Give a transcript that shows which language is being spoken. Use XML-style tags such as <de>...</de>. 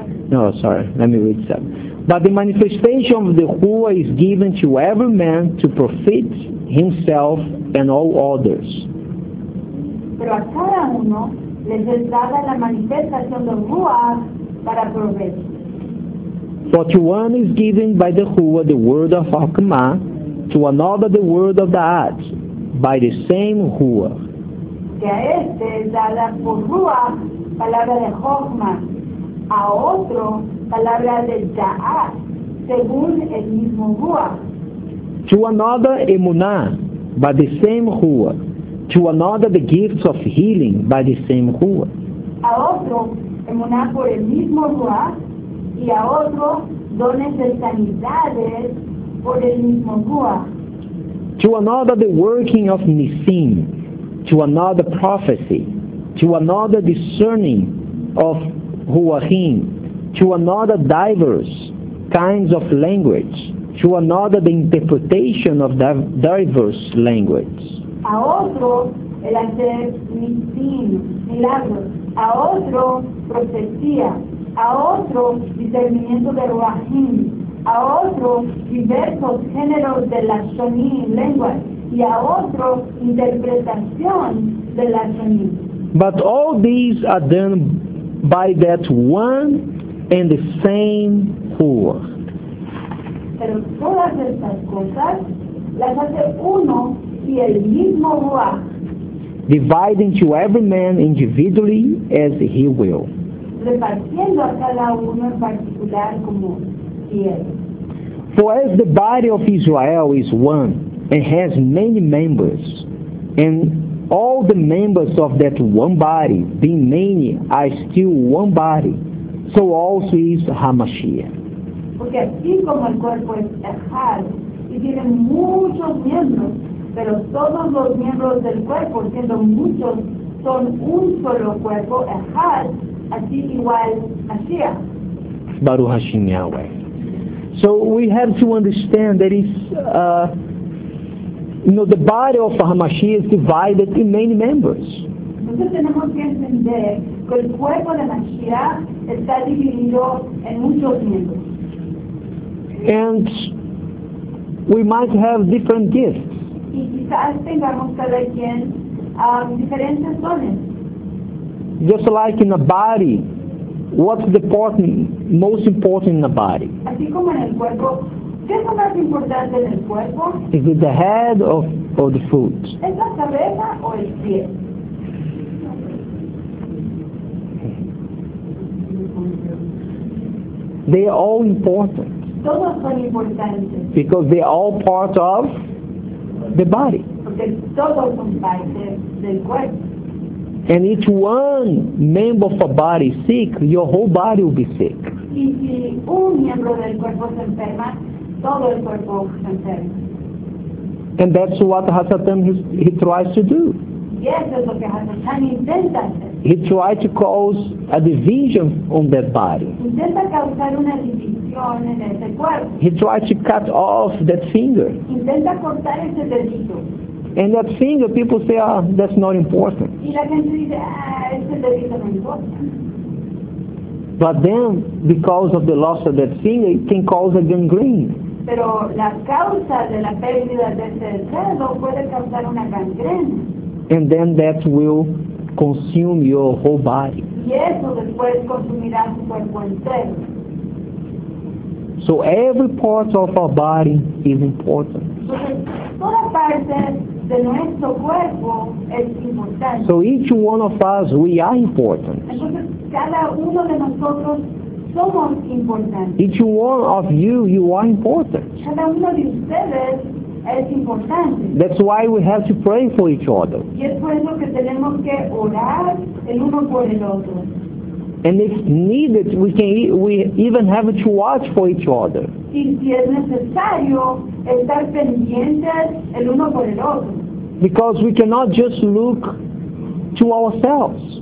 <en>No, sorry, let me read some. But the manifestation of the Ruah is given to every man to profit himself and all others.</en> <es>Pero a cada uno les es dada la manifestación del Ruah para provecho.</es> <en>For to one is given by the Ruah the word of Chokmah, to another the word of Da'at, by the same Ruah.</en> <es>Que a este es dada por Ruah palabra de Chokmah, a otro palabra de Da'at, según el mismo Ruah.</es> <en>To another Emunah, by the same Ruah. To another the gifts of healing, by the same Ruah.</en> <es>A otro Emunah por el mismo Ruah, y a otro dones de sanidades por el mismo Ruah.</es> <en>To another the working of Nisim, to another prophecy, to another discerning of Ruahim, to another diverse kinds of language, to another the interpretation of that diverse language.</en> <es>A otro el hacer milagros, a otro profecía, a otro discernimiento de Ruahim, a otro diversos géneros de la Shonim lengua, y a otro interpretación de la Shonim.</es> <en>But all these are done by that one and the same Ruah.</en> <es>Pero todas estas cosas las hace uno y el mismo Ruah,</es> <en>dividing to every man individually as he will,</en> <es>repartiendo a cada uno en particular como quiere.</es> <en>For as the body of Israel is one and has many members, and all the members of that one body, being many, are still one body, so also is HaMashiach.</en> <es>Porque así como el cuerpo es tajado que tienen muchos miembros, pero todos los miembros del cuerpo, siendo muchos, son un solo cuerpo, ejal, así igual Mashiach.</es> <he>Baruch Hashem Yahweh.</he> <en>So we have to understand that it's, you know, the body of HaMashiach is divided in many members.</en> <es>Entonces tenemos que entender que el cuerpo de Mashiach está dividido en muchos miembros.</es> <en>And we might have different gifts.</en> <es>Y quizás tengamos cada quien diferentes dones.</es> <en>Just like in a body. What's the important, most important in the body?</en> <es>Así como en el cuerpo, ¿qué es lo más importante en el cuerpo?</es> <en>Is it the head or the foot?</en> <es>¿Es la cabeza o el pie?</es> <en>They are all important.</en> <es>Todos son importantes.</es> <en>Because they are all part of the body.</en> <es>Porque todos son parte del cuerpo.</es> <en>And if one member of a body is sick, your whole body will be sick.</en> <es>Y si un miembro del cuerpo se enferma, todo el cuerpo se enferma.</es> <en>And that's what Hasatan he tries to do.</en> <es>Yes, es lo que Hasatan intenta hacer.</es> <en>He tries to cause a division on that body.</en> <es>Intenta causar una división en ese cuerpo.</es> <en>He tries to cut off that finger.</en> <es>Intenta cortar ese dedito.</es> <en>And that finger, people say, ah, that's not important.</en> <es>Y la gente dice, ah, ese dedito no importa.</es> <en>But then, because of the loss of that finger, it can cause a gangrene.</en> <es>Pero la causa de la pérdida de ese dedo puede causar una gangrena.</es> <en>And then that will consume your whole body.</en> <es>Y eso después consumirá su cuerpo entero.</es> <en>So every part of our body is important.</en> <es>Toda parte de nuestro cuerpo es importante.</es> <en>So each one of us, we are important.</en> <es>Entonces, cada uno de nosotros somos importantes.</es> <en>Each one of you, you are important.</en> <es>Cada uno de ustedes es importante.</es> <en>That's why we have to pray for each other.</en> <es>Y es por eso que tenemos que orar el uno por el otro.</es> <en>And if needed, we even have to watch for each other.</en> <es>Y si es necesario, estar pendientes el uno por el otro.</es> <en>Because we cannot just look to ourselves.</en>